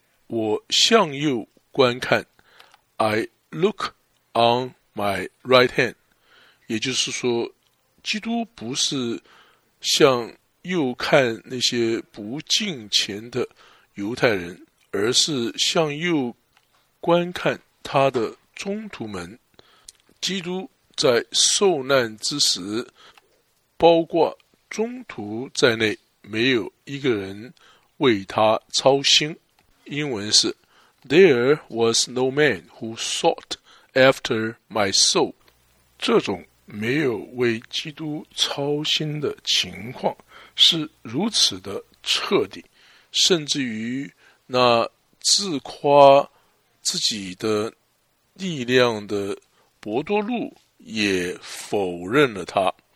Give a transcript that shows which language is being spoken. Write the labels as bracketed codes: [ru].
[zh] 我向右观看， [en] I look on my right hand， [zh] 也就是说，基督不是向右看那些不敬虔的犹太人，而是向右观看他的宗徒们。基督在受难之时，包括宗徒在内，没有一个人为他操心。英文是 [en] There was no man who sought after my soul。 [zh] 这种没有为基督操心的情况是如此的彻底，甚至于那自夸自己的力量的伯多禄也否认了他。